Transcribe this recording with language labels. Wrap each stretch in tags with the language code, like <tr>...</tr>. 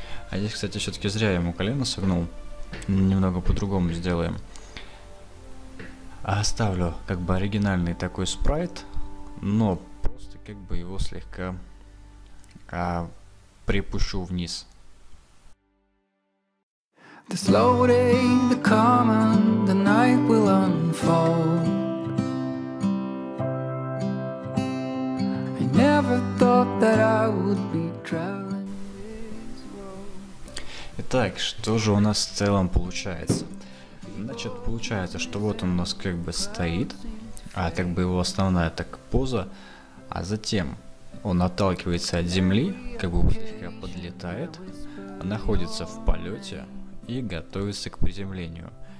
<ru>А здесь, кстати, все-таки зря я ему колено согнул. Немного по-другому сделаем. Оставлю как бы оригинальный такой спрайт, но просто как бы его слегка припущу вниз.</ru> <en>The slow day, the calm, the night will unfold. I never thought that I would be traveling this world.</en> <ru>Итак, что же у нас в целом получается? Значит, получается, что вот он у нас как бы стоит, как бы его основная так поза, а затем он отталкивается от земли, как бы слегка подлетает, находится в полете и готовится к приземлению.</ru>